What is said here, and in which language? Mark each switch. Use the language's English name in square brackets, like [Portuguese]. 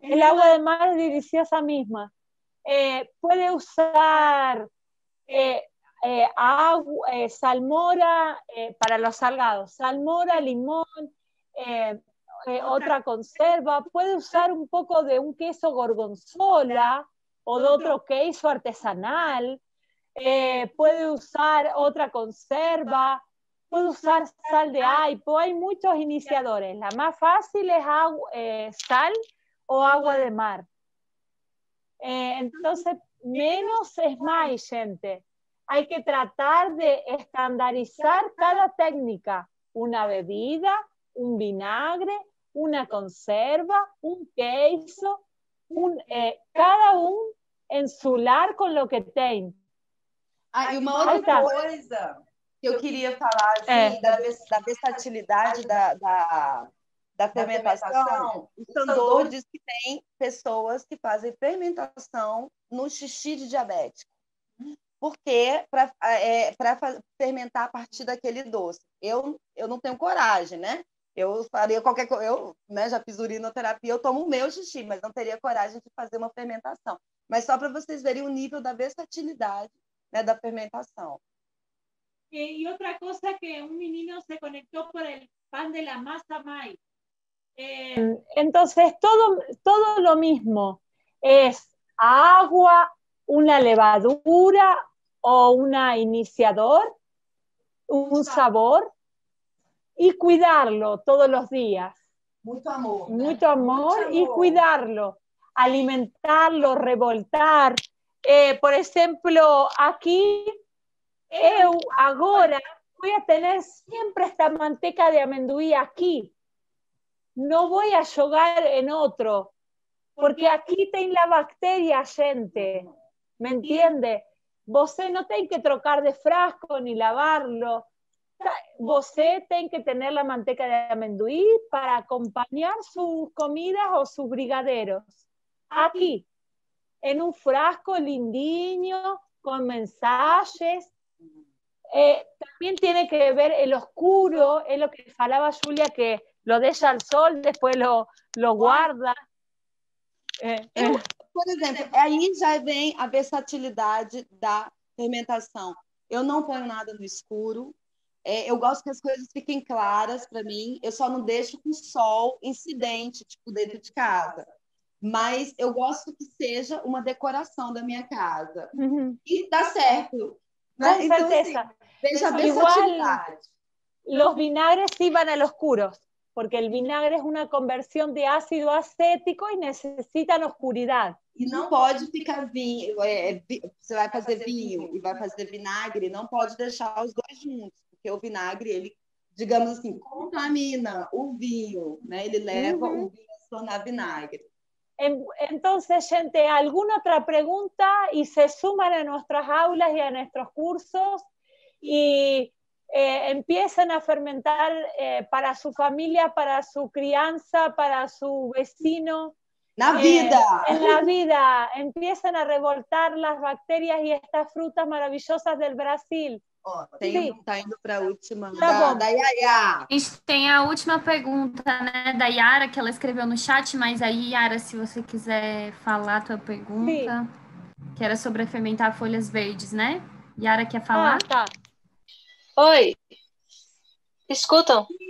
[Portuguese] O água de mar é deliciosa mesma. Pode usar água, salmoura para os salgados. Salmoura, limão, outra conserva. Pode usar um pouco de um queso gorgonzola ou de outro queso artesanal. Pode usar outra conserva. [Spanish] Puede usar sal de aipo, hay muchos iniciadores. La más fácil es agua, sal o agua de mar. Entonces, menos es más, gente. Hay que tratar de estandarizar cada técnica. Una bebida, un vinagre, una conserva, un queso, cada uno en su lar con lo que tiene. Ah, y una otra cosa. [Portuguese] Eu queria falar assim, da versatilidade da fermentação. O Sandor diz que tem pessoas que fazem fermentação no xixi de diabético. Porque para fermentar a partir daquele doce. Eu não tenho coragem, né? Eu faria qualquer coisa. Eu, né, já fiz urinoterapia, eu tomo o meu xixi, mas não teria coragem de fazer uma fermentação. Mas só para vocês verem o nível da versatilidade, né, da fermentação. [Spanish] Y otra cosa que un menino se conectó por el pan de la masa mai. Entonces, todo lo mismo. Es agua, una levadura o un iniciador, un sabor, y cuidarlo todos los días. Mucho amor. Mucho amor y cuidarlo. Alimentarlo, revoltar. Por ejemplo, aquí... [Portuguese] Eu agora vou ter sempre esta manteca de amendoim aqui. Não vou jogar em outro. Porque aqui tem a bactéria, gente. Me entende? Você não tem que trocar de frasco [Spanish] ni lavarlo. [Portuguese] Você tem que ter a manteca de amendoim para acompanhar suas comidas ou seus brigadeiros. Aqui. Em um frasco lindinho, com mensagens. [Spanish] También tiene que ver el oscuro, es lo que falaba Julia, que lo deja al sol, después lo guarda. Por ejemplo, ahí ya viene la versatilidad de la fermentación. Yo no pongo nada en el oscuro, yo gosto que las cosas fiquen claras para mí, yo solo no dejo con sol incidente, tipo dentro de casa. Mas yo gosto que sea una decoración de mi casa. [Portuguese] Y da certo. Com certeza. Então, assim, igual, [Spanish] los vinagres sí van a los oscuros, porque el vinagre es una conversión de ácido acético y necesitan oscuridad. Y no puede [Portuguese] ficar você vai fazer vinho e vai fazer vinagre, não pode deixar os dois juntos, porque o vinagre, ele, digamos assim, contamina o vinho, né? Ele leva o vinho a se tornar vinagre. [Spanish] Entonces, gente, ¿alguna otra pregunta? Y se suman a nuestras aulas y a nuestros cursos y empiezan a fermentar para su familia, para su crianza, para su vecino. [Portuguese] ¡Na vida! [Spanish] En la vida. Empiezan a revoltar las bacterias y estas frutas maravillosas del Brasil. [Portuguese] Está indo para a última, da Yara. A gente tem a última pergunta, né, da Yara, que ela escreveu no chat, mas aí, Yara, se você quiser falar a tua pergunta, que era sobre fermentar folhas verdes, né? Yara quer falar? Tá. Oi, me escutam?